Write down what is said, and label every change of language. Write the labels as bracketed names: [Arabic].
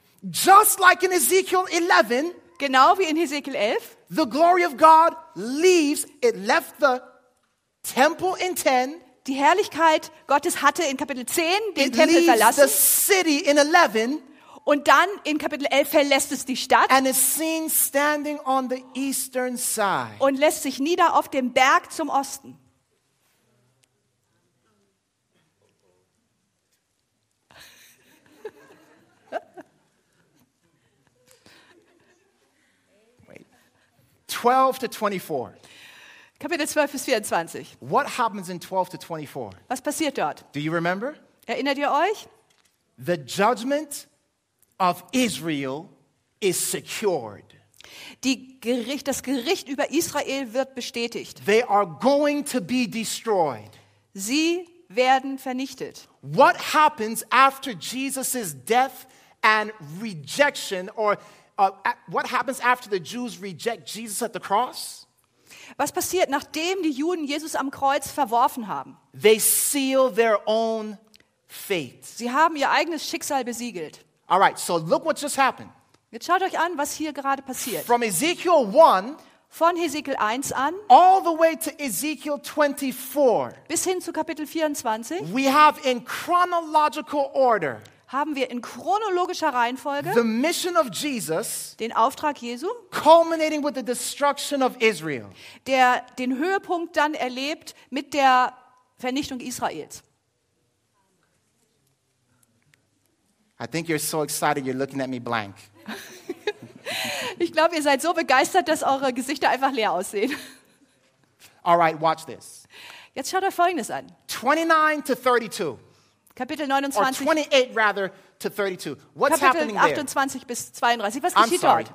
[English] Just like in Ezekiel 11. [German] Genau wie in Ezekiel 11. [English] The glory of God leaves. It left the temple in 10. [German] Die Herrlichkeit Gottes hatte in Kapitel 10 den Tempel verlassen. [English] It leaves the city in 11. [German] Und dann in Kapitel 11 verlässt es die Stadt. [English] And is seen standing on the eastern side. [German] Und lässt sich nieder auf dem Berg zum Osten. [English] Wait. 12 to 24. [German] Kapitel 12 bis 24. [English] What happens in 12 to 24? [German] Was passiert dort? [English] Do you remember? [German] Erinnert ihr euch? [English] The judgment of Israel is secured. [German] Das Gericht über Israel wird bestätigt. [English] They are going to be destroyed. [German] Sie werden vernichtet. [English] What happens after Jesus' death and rejection, or what happens after the Jews reject Jesus at the cross? [German] Was passiert, nachdem die Juden Jesus am Kreuz verworfen haben? [English] They seal their own fate. [German] Sie haben ihr eigenes Schicksal besiegelt. [English] All right, so look what just happened. [German] Jetzt schaut euch an, was hier gerade passiert. [English] From Ezekiel 1, [German] von Ezekiel 1 an, [English] all the way to Ezekiel 24, [German] bis hin zu Kapitel 24, [English] we have in chronological order, [German] haben wir in chronologischer Reihenfolge [English] the mission of Jesus, [German] den Auftrag Jesu, [English] culminating with the destruction of Israel, [German] der den Höhepunkt dann erlebt mit der Vernichtung Israels. [English] I think you're so excited you're looking at me blank. [German] Ich glaube, ihr seid so begeistert, dass eure Gesichter einfach leer aussehen. [English] All right, watch this. [German] Jetzt schaut euch Folgendes an. [English] 29 to 32. [German] Kapitel 29. [English] Or 28 rather to 32. What's [German] Kapitel [English] happening there? [German] Kapitel 28 bis 32. Was geschieht dort?